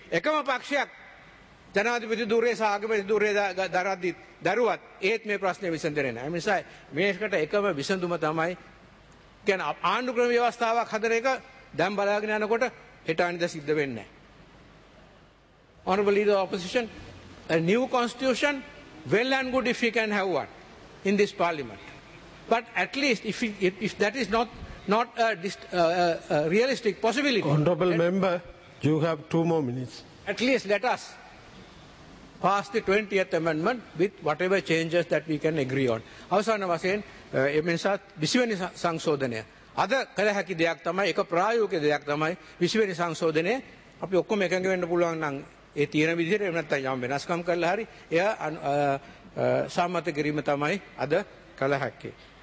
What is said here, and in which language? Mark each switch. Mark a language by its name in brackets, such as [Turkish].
[Sinhala] එකම පක්ෂයක් ජනාධිපති ධුරයේ සාගමේ ධුරයේ දරුවත් ඒත් මේ ප්‍රශ්නේ විසඳෙන්නේ නැහැ. මිසයි මේකට එකම විසඳුම තමයි කියන ආණ්ඩු ක්‍රම ව්‍යවස්ථාවක් හදන එක. දැන් බලාගෙන යනකොට හෙටානිද සිද්ධ වෙන්නේ නැහැ. [English] Honorable leader of opposition, a new constitution, well and good if we can have one in this parliament. But at least if that is not a realistic possibility. Honorable member, you have 2 more minutes. At least let us pass the 20th amendment with whatever changes that we can agree on. [Sinhala] අවසාන වශයෙන් එමෙන්සත් 20 වෙනි සංශෝධනය අද කළ හැකි දෙයක් තමයි, ඒක ප්‍රායෝගික දෙයක් තමයි. 20 වෙනි සංශෝධනය අපි ඔක්කොම එකඟ වෙන්න පුළුවන් නම් ඒ තියෙන විදිහට, එහෙම නැත්නම් යම් වෙනස්කම් කරලා හරි එය සම්මත කිරීම තමයි අද කළ හැකි.